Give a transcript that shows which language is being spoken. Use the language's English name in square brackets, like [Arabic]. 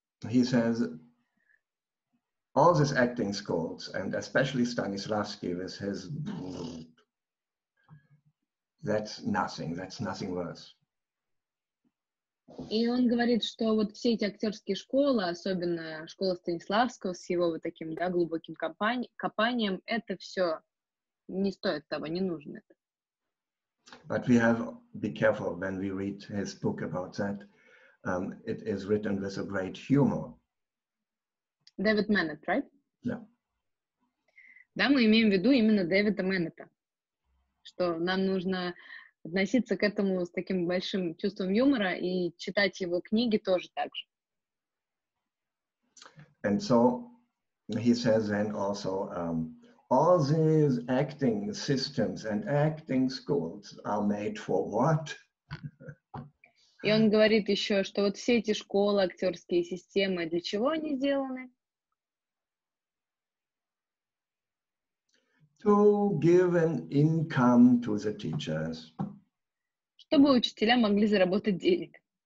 [English] He says, all these acting schools, and especially Stanislavski with his that's nothing worse. [Russian] И он говорит, что вот все эти актерские школы, особенно школа Станиславского с его вот таким, да, глубоким копанием, это все не стоит того, не нужно это. [English] But we have to be careful when we read his book about that. It is written with a great humor. David Mamet, right? Yeah. [Russian] Да, мы имеем в виду именно Дэвида Мэннета, что нам нужно относиться к этому с таким большим чувством юмора и читать его книги тоже так же. [English] And so he says then also all these acting systems and acting schools are made for what? [Russian] И он говорит еще, что вот все эти школы, актерские системы, для чего они сделаны? [English] To give an income to the teachers. [Russian] Чтобы учителя могли заработать денег.